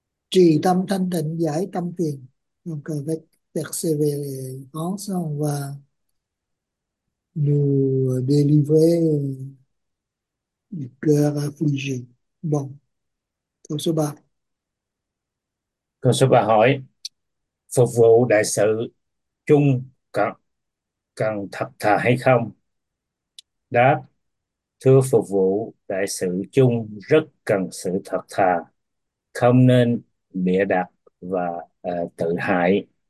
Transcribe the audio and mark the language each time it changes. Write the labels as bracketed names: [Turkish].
[Vietnamese] Trì tâm thanh tịnh giải tâm phiền. [French] Donc avec persévérance, on va nous délivrer du cœur affligé. Bon, pour ce bas. [Vietnamese] Câu số 3 hỏi: phục vụ đại sự chung cần thật thà hay không? Đáp: thưa, phục vụ đại sự chung rất cần sự thật thà, không nên bịa đặt và tự hại.